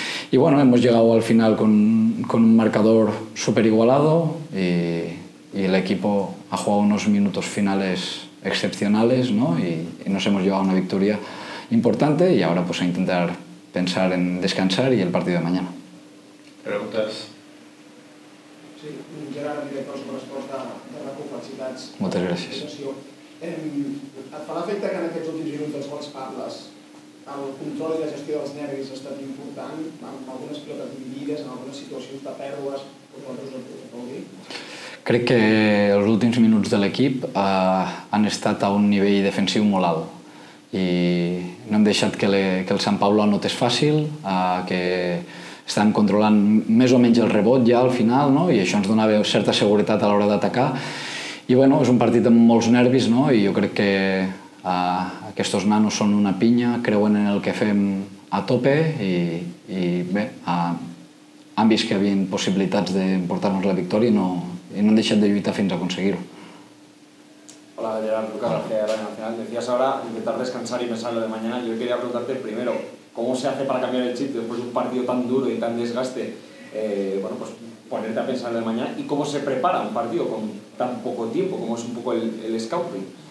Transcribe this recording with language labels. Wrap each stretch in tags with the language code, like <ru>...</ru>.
<es>Y bueno, hemos llegado al final con un marcador súper igualado y el equipo ha jugado unos minutos finales excepcionales, ¿no? Y nos hemos llevado una victoria importante y ahora pues a intentar pensar en descansar y el partido de mañana. ¿Preguntas? Sí, Gerard, director, su respuesta de la CUP, felicitats.</es> <ca>Moltes gràcies. Et fa l'efecte que en aquests últims minuts quan parles el control i la gestió dels nervis ha estat important, amb algunes pilotes dividides, en algunes situacions de pèrdues, com vols dir? Crec que els últims minuts de l'equip han estat a un nivell defensiu molt alt i no hem deixat que el Sant Pablo anotés fàcil, que estan controlant més o menys el rebot ja al final, no? I això ens donava certa seguretat a l'hora d'atacar. I bueno, és un partit amb molts nervis, no? I jo crec que aquests nanos són una pinya, creuen en el que fem a tope i bé, han vist que hi havia possibilitats d'emportar-nos la victòria i no han deixat de lluitar fins a aconseguir-ho.</ca> <es>Hola, Gerard, tu, Carles, de Radio Nacional. Decías ahora intentar descansar y pensar en lo de mañana. Yo quería preguntarte primero, ¿cómo se hace para cambiar el chip después de un partido tan duro y tan desgaste? Bueno, pues ponerte a pensar en lo de mañana. ¿Y cómo se prepara un partido con tan poco tiempo? ¿Cómo es un poco el scouting?</es>